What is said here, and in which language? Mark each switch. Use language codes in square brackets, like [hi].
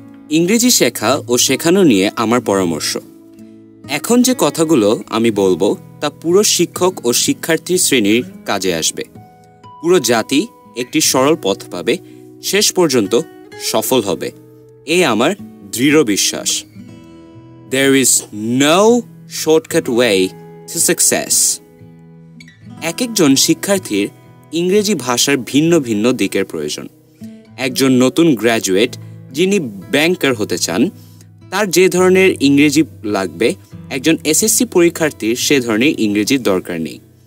[bn] ইংরেজি শেখা ও শেখানো নিয়ে আমার পরামর্শ, এখন যে কথাগুলো আমি বলবো তা পুরো শিক্ষক ও শিক্ষার্থী শ্রেণীর কাজে আসবে। পুরো জাতি একটি সরল পথ পাবে, শেষ পর্যন্ত সফল হবে, এ আমার দৃঢ় বিশ্বাস। [en] There is no shortcut way to success. [bn] এক একজন শিক্ষার্থীর ইংরেজি ভাষার ভিন্ন ভিন্ন দিকের প্রয়োজন। একজন নতুন গ্র্যাজুয়েট যিনি ব্যাংকার হতে চান তার যে ধরনের ইংরেজি লাগবে, একজন এসএসসি পরীক্ষার্থীর সে ধরনের ইংরেজির দরকার নেই।